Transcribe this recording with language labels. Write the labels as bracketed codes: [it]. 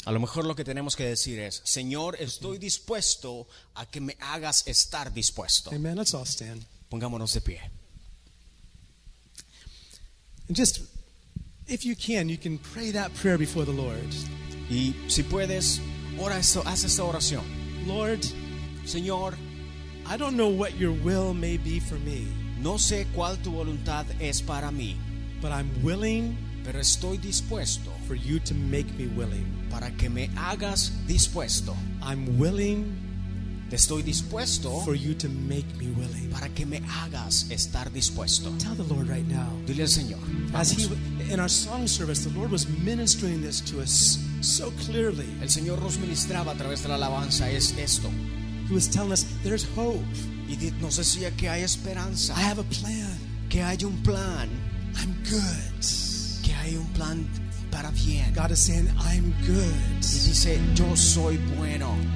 [es] A lo mejor lo que tenemos que decir es, Señor, estoy dispuesto a que me hagas estar dispuesto. [en] Amen, let's all stand. [es] Pongámonos de pie. [en] And just, if you can, you can pray that prayer before the Lord. [es] Y si puedes, ora esto, haz esta oración. [en] Lord, [es] Señor, [en] I don't know what your will may be for me. [es] No sé cuál tu voluntad es para mí, [en] but I'm willing, [es] pero estoy dispuesto, [en] for you to make me willing, [es] para que me hagas dispuesto. [en] I'm willing, [es] estoy dispuesto, [en] for you to make me willing, [es] para que me hagas estar dispuesto. [en] Tell the Lord right now. [es] Dile al Señor. [en] As he, in our song service, the Lord was ministering this to us so clearly. [es] El Señor nos ministraba a través de la alabanza es esto. [en] He was telling us there's hope. [es] Y nos decía que hay esperanza. [en] I have a plan. [es] Que hay un plan. [en] I'm good. [es] Que hay un plan para bien. [en] God is saying, I'm good. [es] Y dice, yo soy bueno.